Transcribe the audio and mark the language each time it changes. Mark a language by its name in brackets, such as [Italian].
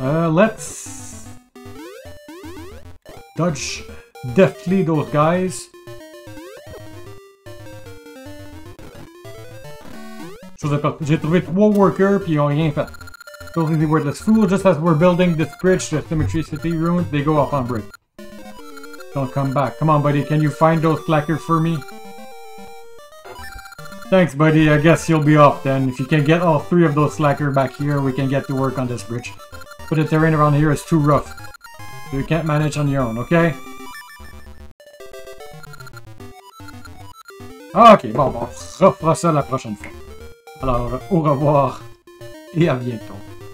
[English] Let's... dodge deftly those guys. [French] J'ai trouvé trois workers puis ils ont rien fait. [English] Those are the worthless fools. Just as we're building this bridge to Symmetry City ruins, they go off on break. Don't come back. Come on, buddy. Can you find those clackers for me? Thanks, buddy. I guess you'll be off then. If you can get all three of those slacker back here, we can get to work on this bridge. But the terrain around here is too rough. So you can't manage on your own, okay? [French] Ok, bon, on refera ça la prochaine fois. Alors, au revoir et à bientôt.